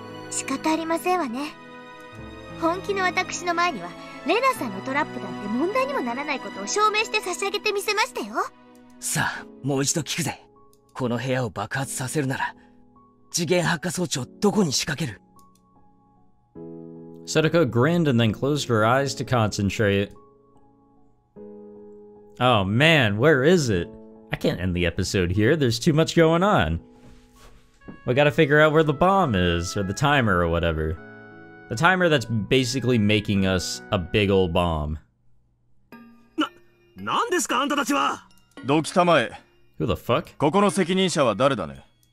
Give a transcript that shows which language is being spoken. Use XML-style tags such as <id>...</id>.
<ja>仕方ありませんわね。本気の私の前にはレナさんのトラップだって問題にもならないことを証明して差し上げてみせましたよ。さあもう一度聞くぜ。この部屋を爆発させるなら次元発火装置をどこに仕掛ける？</ja> <en>Sadako grinned and then closed her eyes to concentrate. Oh man, where is it? I can't end the episode here, there's too much going on. We gotta figure out where the bomb is, or the timer or whatever. The timer that's basically making us a big ol' bomb.</en> <ja>なんですか、あんたたちは？どきたまえ。</ja> <en>Who the fuck?</en> <ja>ここの責任者は誰だね？</ja>